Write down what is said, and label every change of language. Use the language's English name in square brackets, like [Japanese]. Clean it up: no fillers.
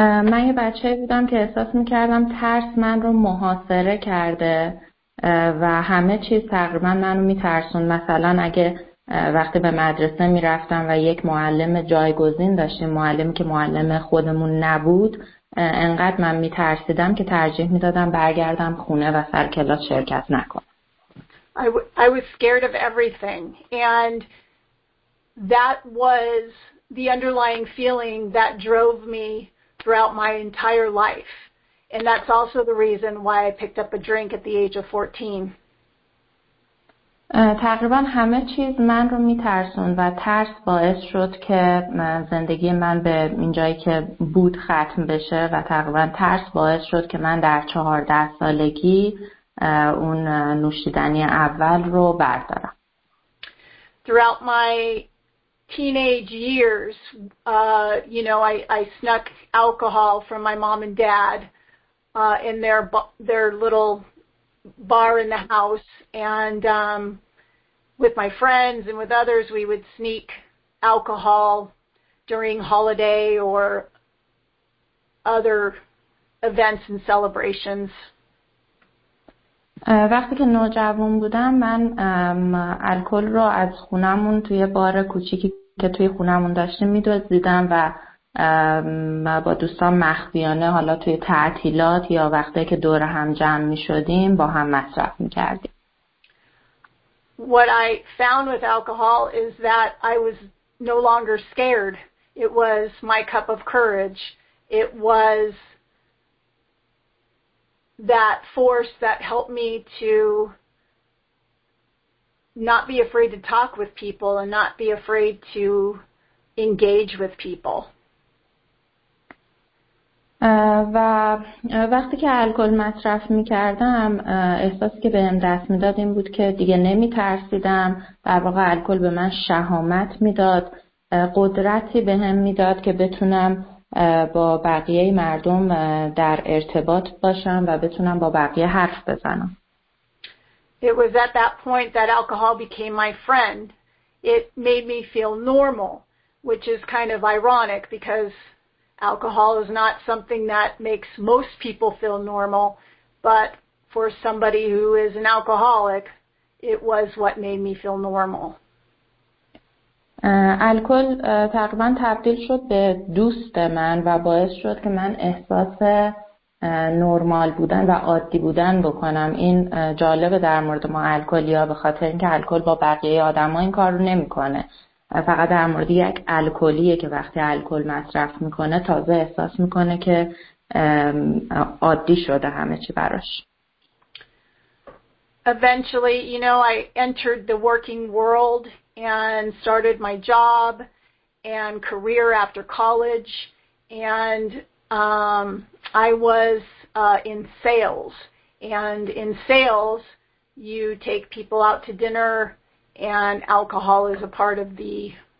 [Persian] من یه بچه بودم که احساس می‌کردم ترس من رو محاصره کرده و همه چیز تقریبا منو می‌ترسون. مثلا اگه وقتی به مدرسه می‌رفتم و یک معلم جایگزین داشتیم، معلمی که معلم خودمون نبود، انقدر من می‌ترسیدم که ترجیح می‌دادم برگردم خونه و سر کلاس شرکت نکنم. [English] I was scared of everything and that was the underlying feeling that drove me throughout my entire life. And that's also the reason why I picked up a drink at the age of 14. [Persian] تقریبا همه چیز من رو میترسون و ترس باعث شد که زندگی من به اینجایی که بود ختم بشه و تقریبا ترس باعث شد که من در 14 سالگی اون نوشیدنی اول رو بردارم. [English] Throughout my teenage years, you know, I snuck alcohol from my mom and dad in their little bar in the house, and with my friends and with others, we would sneak alcohol during holiday or other events and celebrations. [Persian] وقتی که نوجوان بودم، من الکل رو از خونمون توی بار کوچیکی که توی خونمون داشتیم میدوزیدم و با دوستان مخفیانه حالا توی تعطیلات یا وقتی که دور هم جمع میشدیم با هم مصرف میکردیم. [English] What I found with alcohol is that I was no longer scared. It was my cup of courage. It was that force that helped me to not be afraid to talk with people and not be afraid to engage with people. [Persian] و وقتی که الکل مصرف می‌کردم، احساسی که بهم دست می‌داد این بود که دیگه نمی‌ترسیدم. در واقع الکل به من شهامت می‌داد، قدرتی بهم می‌داد که بتونم با بقیه مردم در ارتباط باشم و بتونم با بقیه حرف بزنم. [English] It was at that point that alcohol became my friend. It made me feel normal, which is kind of ironic because alcohol is not something that makes most people feel normal, but for somebody who is an alcoholic, it was what made me feel normal. [Persian] الکل تقریبا تبدیل شد به دوست من و باعث شد که من احساس نرمال بودن و عادی بودن بکنم. این جالبه در مورد ما الکلیا، به خاطر اینکه الکل با بقیه آدم ها این کار رو نمی کنه. فقط در مورد یک الکلیه که وقتی الکل مصرف میکنه تازه احساس میکنه که عادی شده همه چی براش. [English] Eventually, you know, I entered the working world and started my job and career after college, and I was in sales, and in sales, you take people out to dinner, and alcohol is a part of the,